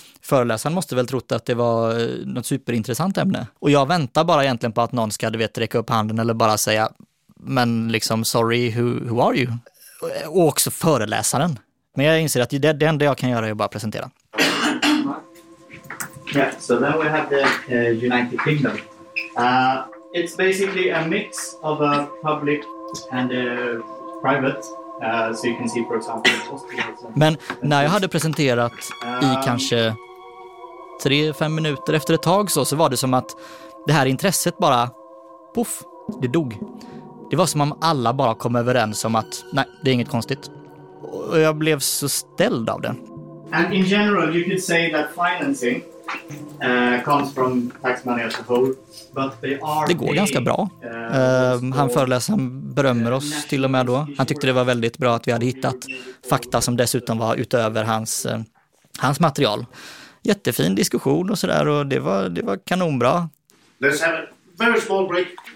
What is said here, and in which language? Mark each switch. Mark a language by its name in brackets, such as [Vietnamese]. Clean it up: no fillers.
[Swedish] Föreläsaren måste väl trott att det var något superintressant ämne. Och jag väntar bara egentligen på att någon ska, du vet, räcka upp handen eller bara säga, men liksom, [English] sorry, who are you? [Swedish] Och också föreläsaren. Men jag inser att det enda jag kan göra är att bara presentera. [English] Yeah, so then we have the United Kingdom. It's basically a mix of a public and a private. So you can see, for example, [Swedish] men när jag hade presenterat i kanske 3-5 minuter efter ett tag så var det som att det här intresset bara, puff, det dog. Det var som om alla bara kom överens om att nej, det är inget konstigt. Och jag blev så ställd av det. [English] And in general you could say that financing comes from tax money as a whole, but they are, [Swedish] det går ganska bra. Han föreläser, han berömmer oss till och med då. Han tyckte det var väldigt bra att vi hade hittat fakta som dessutom var utöver hans material. Jättefin diskussion och sådär, och det var kanonbra. [English] Let's have a very small break.